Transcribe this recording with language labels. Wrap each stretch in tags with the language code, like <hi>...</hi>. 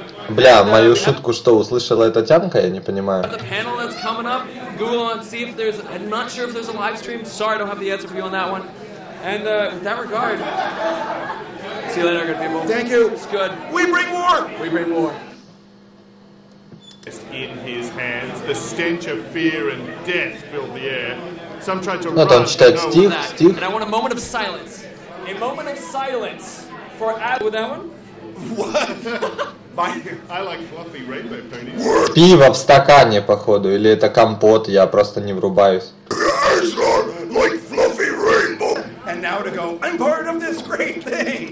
<ru>Бля, мою шутку, что услышала эта тянка, я не понимаю.</ru> <en>The panel that's coming up, Google on, see if there's, I'm not sure if there's a live stream, sorry, I don't have the answer for you on that one. And with that regard, see you later, good people. Thank you. It's good. We bring more! We bring more. In his hands, the stench of fear and death filled the air. Some tried to</en> <ru>Ну, там читать стих, стих.</ru> <en>And I want a moment of silence. A moment of silence for Ad... With that one? What? I like fluffy rainbow ponies. What?</en> <ru>Пиво в стакане, походу. Или это компот, я просто не врубаюсь.</ru> <en>I like fluffy rainbow. And now to go, I'm part of this great thing.</en>